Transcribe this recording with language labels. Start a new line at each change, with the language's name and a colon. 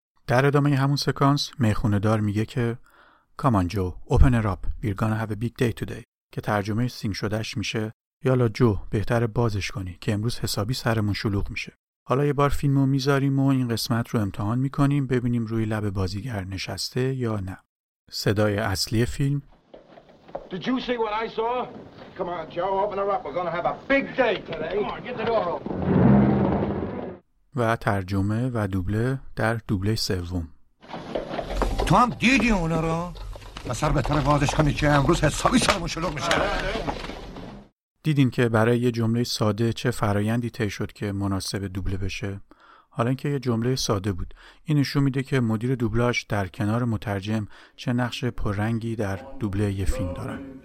Persian: در ادامه همون سکانس میخونه دار میگه که
English: Come on Joe, open it up, we're gonna have a big day today،
Persian: که ترجمه سینک شدهش میشه یالا جو بهتر بازش کنی که امروز حسابی سرمون شلوغ میشه. حالا یه بار فیلمو میذاریم و این قسمت رو امتحان میکنیم ببینیم روی لب بازیگر نشسته یا نه. صدای اصلی فیلم
English: Did you see what I saw? Come on Joe, open her up. We're gonna have a big day today. Come on, get the door open.
Persian: و ترجمه و دوبله در دوبله سوم. تو هم دیدی اونا رو؟ بسر بهتر بازش کنی که امروز حسابی سرمون شلوغ میشه. دیدین که برای یه جمله ساده چه فرایندی طی شد که مناسب دوبله بشه؟ حالا اینکه یه جمله ساده بود، این نشون میده که مدیر دوبلاژ در کنار مترجم چه نقش پررنگی در دوبله یه فیلم دارن.